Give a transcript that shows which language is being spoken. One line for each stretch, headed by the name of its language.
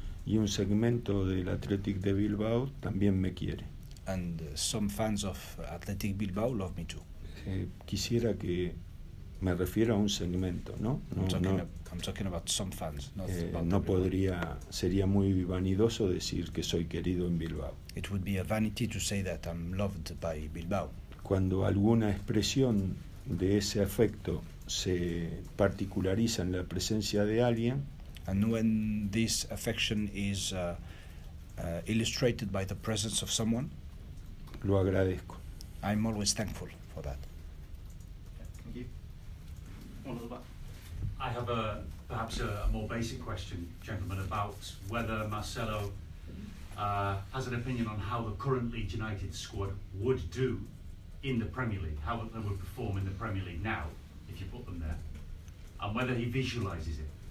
Spanish: Y un segmento del Athletic de Bilbao también me quiere.
English: And some fans of Athletic Bilbao love me too.
Spanish: Quisiera que me refiero a un segmento, ¿no?
English: I'm talking about some fans, not about
Spanish: no podría, sería muy vanidoso decir que soy querido en Bilbao.
English: It would be a vanity to say that I'm loved by Bilbao.
Spanish: Cuando alguna expresión de ese afecto se particulariza en la presencia de alguien,
English: and when this affection is illustrated by the presence of someone,
Spanish: lo agradezco.
English: I'm always thankful for that. I have perhaps a more basic question, gentlemen, about whether Marcelo has an opinion on how the current Leeds United squad would do in the Premier League, how they would perform in the Premier League now, if you put them there, and whether he visualizes it.